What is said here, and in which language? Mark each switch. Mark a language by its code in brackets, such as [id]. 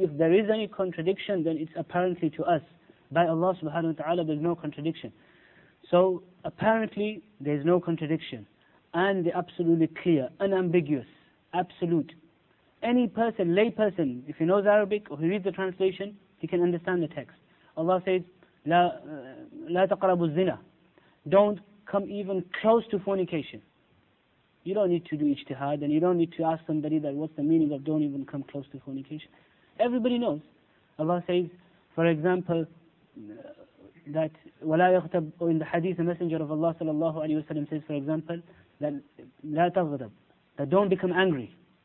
[en] If there is any contradiction, then it's apparently to us. By Allah subhanahu wa ta'ala, there's no contradiction. So, apparently, there's no contradiction. And they're absolutely clear, unambiguous, absolute. Any person, lay person, if he knows Arabic or he reads the translation, he can understand the text. Allah says, [ar] لا تقربوا الزنا. [en] Don't come even close to fornication. You don't need to do ijtihad, and you don't need to ask somebody that what's the meaning of don't even come close to fornication. Everybody knows. Allah says, for example, that [ar] ولا يغتب, [en] or in the hadith, the Messenger of Allah sallallahu alayhi wa sallam says, for example, that [ar] لا تغضب, [en] that don't become angry.